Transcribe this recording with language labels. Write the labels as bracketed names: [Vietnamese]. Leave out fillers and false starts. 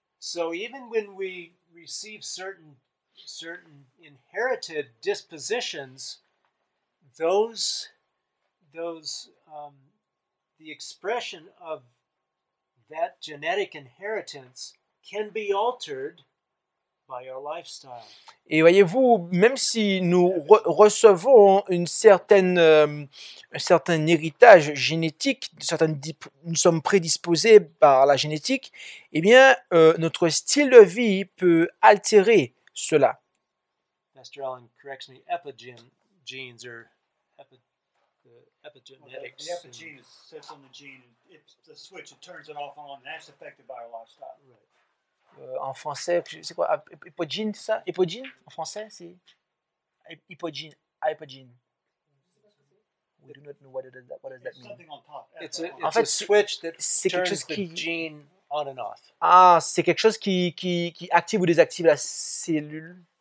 [English] So even when we receive certain inherited dispositions, the expression of that genetic inheritance can be altered by our lifestyle. [French] Et voyez-vous, même si nous recevons un certain héritage génétique, nous sommes prédisposés par la génétique, eh bien, notre style de vie peut altérer cela. [English] Pastor Allen corrects me, epigenes or epigenetics. The epigene sits on the gene, it's the switch, it turns it off and on, and that's affected by our lifestyle. Right. [French] En français, c'est quoi? Hypogène, ça? Hypogène? En français, c'est hypogène. Hypogène. [English] We do not know what does that mean. [French] En fait, [English] switch that turns [French] quelque chose qui... [English] the gene on and off. [French] Ah, c'est quelque chose qui active ou désactive la cellule.